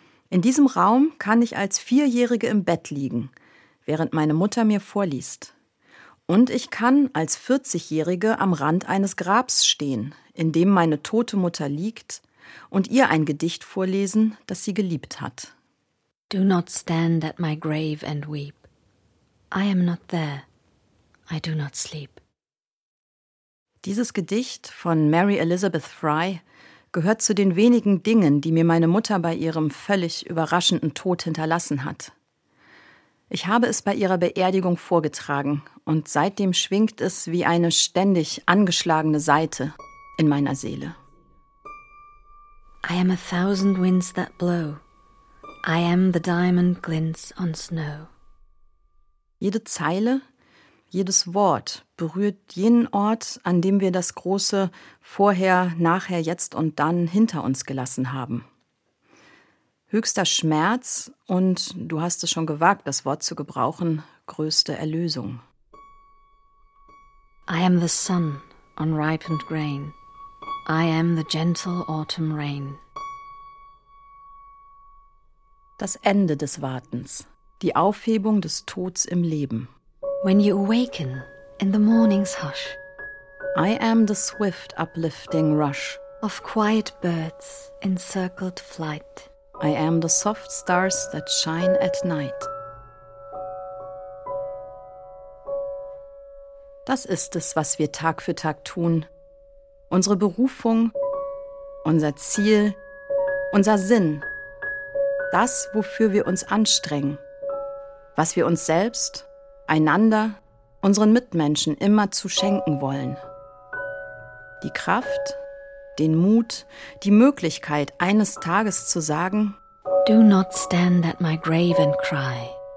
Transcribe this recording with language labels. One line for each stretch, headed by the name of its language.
German: In diesem Raum kann ich als Vierjährige im Bett liegen, während meine Mutter mir vorliest. Und ich kann als 40-Jährige am Rand eines Grabs stehen, in dem meine tote Mutter liegt, und ihr ein Gedicht vorlesen, das sie geliebt hat.
English: Do not stand at my grave and weep. I am not there. I do not sleep.
German: Dieses Gedicht von Mary Elizabeth Fry gehört zu den wenigen Dingen, die mir meine Mutter bei ihrem völlig überraschenden Tod hinterlassen hat. Ich habe es bei ihrer Beerdigung vorgetragen und seitdem schwingt es wie eine ständig angeschlagene Saite in meiner Seele.
English: I am a thousand winds that blow. I am the diamond glints on snow.
German: Jede Zeile, jedes Wort berührt jenen Ort, an dem wir das große Vorher, Nachher, Jetzt und Dann hinter uns gelassen haben. Höchster Schmerz und, du hast es schon gewagt, das Wort zu gebrauchen, größte Erlösung.
English: I am the sun on ripened grain. I am the gentle autumn rain.
German: Das Ende des Wartens, die Aufhebung des Tods im Leben.
English: When you awaken in the morning's hush. I am the swift uplifting rush of quiet birds in circled flight. I am the soft stars that shine at night.
German: Das ist es, was wir Tag für Tag tun. Unsere Berufung, unser Ziel, unser Sinn. Das, wofür wir uns anstrengen. Was wir uns selbst, einander, unseren Mitmenschen immer zu schenken wollen. Die Kraft, den Mut, die Möglichkeit, eines Tages zu sagen:
English: Do not stand at my grave and cry.